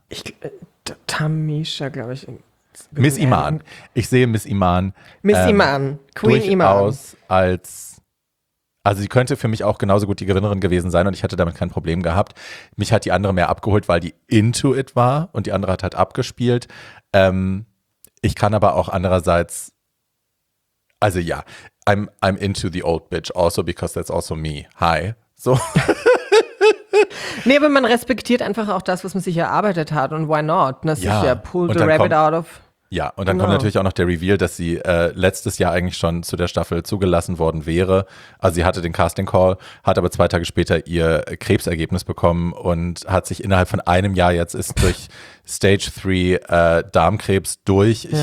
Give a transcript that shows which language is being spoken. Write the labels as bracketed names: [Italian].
[German] Ich, Tamisha, glaube ich. Miss Iman. Ich sehe Miss Iman. Miss Iman. Queen durchaus Iman. Als, also sie könnte für mich auch genauso gut die Gewinnerin gewesen sein und ich hätte damit kein Problem gehabt. Mich hat die andere mehr abgeholt, weil die into it war und die andere hat halt abgespielt. Ich kann aber auch andererseits, also ja, [English] I'm into the old bitch also because that's also me. Hi. So. [German] Nee, aber man respektiert einfach auch das, was man sich erarbeitet hat und [English] why not? [German] Das ja. Ist ja [English] pull the rabbit out of. [German] Ja, und dann kommt natürlich auch noch der Reveal, dass sie letztes Jahr eigentlich schon zu der Staffel zugelassen worden wäre. Also sie hatte den Casting Call, hat aber 2 Tage später ihr Krebsergebnis bekommen und hat sich innerhalb von einem Jahr jetzt ist durch Stage 3 Darmkrebs durch, ja.